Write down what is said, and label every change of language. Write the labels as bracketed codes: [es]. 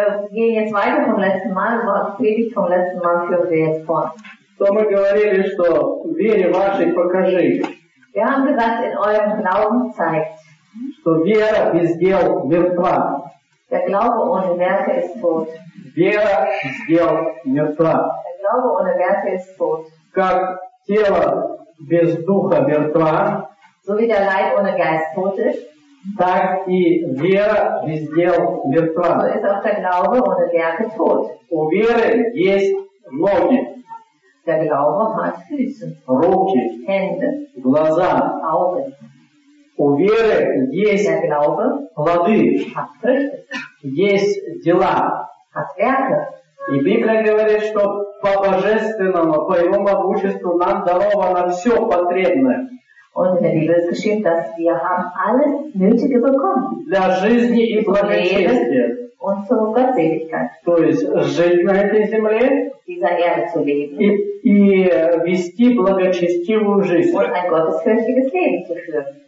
[de] Gehen jetzt weiter vom letzten Mal, Predigt vom letzten Mal führen wir jetzt fort. [ru] So, мы говорили, что вере вашей покажи. [de] Wir haben gesagt, in eurem Glauben zeigt. [ru] Что вера без дел мертва. [de] Der Glaube ohne Werke ist tot. [ru] Вера без дел мертва. [de] Der Glaube ohne Werke ist tot. [ru] Как тело без духа мертва. [de] So wie der Leib ohne Geist tot ist. [ru] Так и вера без дел мертва. [de] So ist auch der Glaube ohne Werke tot. [ru] У веры есть ноги. [de] Der Glaube hat Füße. [ru] Руки. [de] Hände. [ru] Глаза. [de] Augen. [ru] У веры есть. [de] Der Glaube. [ru] Плоды. [de] Hat Früchte. [ru] Есть дела. [de] Hat Werke. [ru] И Библия говорит, что по божественному, по его могуществу нам даровано все потребное. [de] Und in der Bibel ist geschrieben, dass wir haben alles Nötige bekommen. [ru] Для жизни и благочестия. [de] unserer Gottseligkeit. [ru] То есть жить на этой земле [de] dieser Erde zu leben. [ru] И вести благочестивую жизнь. [de] Und ein gottesfürchtiges Leben zu führen.